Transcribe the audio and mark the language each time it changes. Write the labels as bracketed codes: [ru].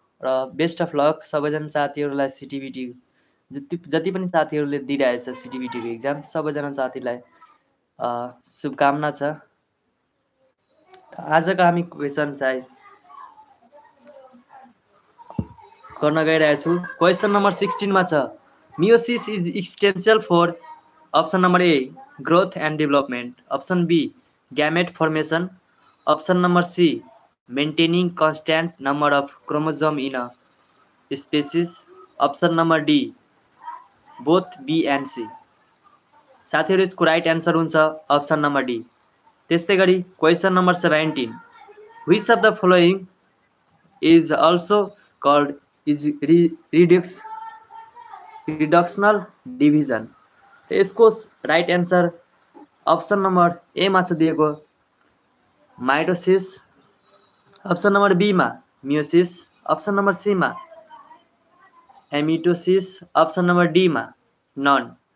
[ne] र best of lock सबैजना साथीहरूलाई सिटिभिटी जति पनि साथीहरूले दिइरहेछ सिटिभिटीको इक्जाम, सबैजना साथीलाई शुभकामना छ। आजको हामी क्वेसन चाहिँ गर्न गइरहेको छु। [en] Question number 16 छ, meiosis is essential for option number A growth and development, option B gamete formation, option number C maintaining constant number of chromosome in a species, option number D both B and C. [ne] साथीहरू यसको right answer हुन्छ option number D. त्यस्तै गरी question number 17, [en] which of the following is also called is reductional division, [ne] यसको right answer option number एमा छ दिएको mitosis, option number बीमा मियोसिस, अप्सन नम्बर सीमा एमिटोसिस, अप्सन नम्बर डीमा नन।